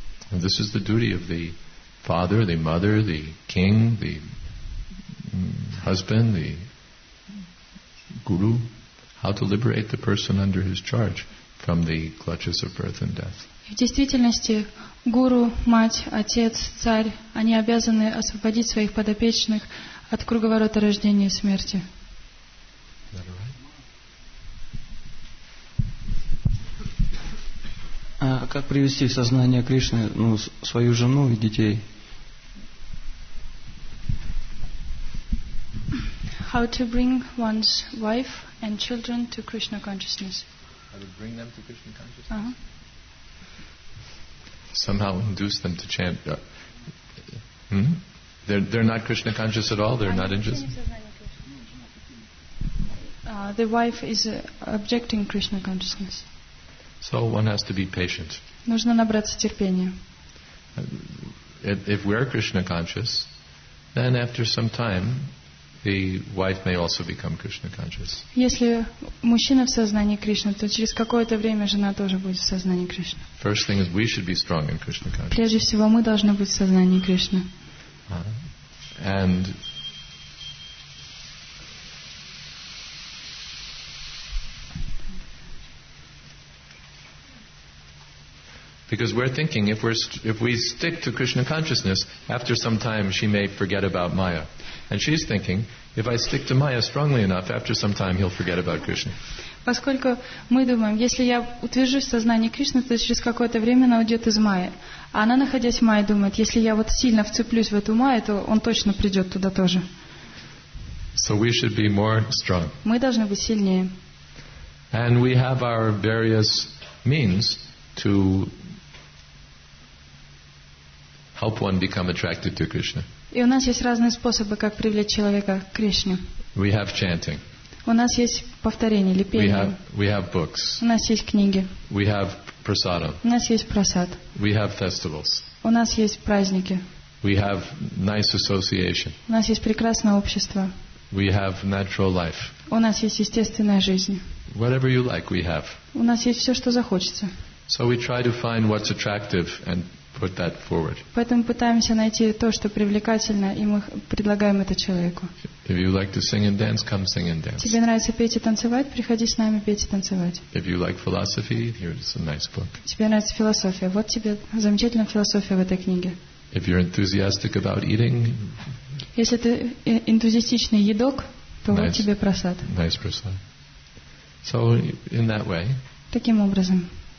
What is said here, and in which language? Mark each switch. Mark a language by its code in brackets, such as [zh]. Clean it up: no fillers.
[en] And this is the duty of the father, the mother, the king, the husband, the guru, how to liberate the person under his charge from the clutches of birth and death. [ru] В действительности, гуру, мать, отец, царь, они обязаны освободить своих подопечных от круговорота рождения и смерти. А как привести в сознание Кришны свою жену и детей? [en] How to bring one's wife and children to Krishna consciousness. How to bring them to Krishna consciousness. Somehow induce them to chant. They're not Krishna conscious at all? They're not interested? The wife is objecting Krishna consciousness. So one has to be patient. [ru] Нужно набраться терпения. [en] If we're Krishna conscious, then after some time, the wife may also become Krishna conscious. [ru] Если мужчина в сознании Кришны, то через какое-то время жена тоже будет в сознании Кришны. [en] First thing is we should be strong in Krishna consciousness. [ru] Прежде всего мы должны быть в сознании Кришны. [en] And because we're thinking if we stick to Krishna consciousness, after some time she may forget about Maya. And she's thinking, if I stick to Maya strongly enough, after some time he'll forget about Krishna. [ru] Поскольку мы думаем, если я утвержусь в сознании Кришны, то через какое-то время она уйдет из Майи. А она, находясь в Майи, думает, если я вот сильно вцеплюсь в эту Майю, то он точно придет туда тоже. [en] So we should be more strong. [ru] Мы должны быть сильнее. [en] And we have our various means to help one become attracted to Krishna. [ru] И у нас есть разные способы, как привлечь человека к Кришне. [en] We have chanting. [ru] У нас есть повторение или пение. [en] We have books. [ru] У нас есть книги. [en] We have prasadam. [ru] У нас есть просад. [en] We have festivals. [ru] У нас есть праздники. [en] We have nice association. [ru] У нас есть прекрасное общество. [en] We have natural life. [ru] У нас есть естественная жизнь. [en] Whatever you like, we have. [ru] У нас есть все, что захочется. [en] So we try to find what's attractive and put that forward. [ru] Поэтому пытаемся найти то, что привлекательно, и мы предлагаем это человеку. [en] If you like to sing and dance, come sing and dance. [ru] Тебе нравится петь и танцевать? Приходи с нами петь и танцевать. [en] If you like philosophy, here's a nice book. [ru] Тебе нравится философия? Вот тебе замечательная философия в этой книге. [en] If you're enthusiastic about eating, [ru] если ты энтузиастичный едок, то вот тебе просад. [en] Nice просад. So in that way. [ru] Таким образом.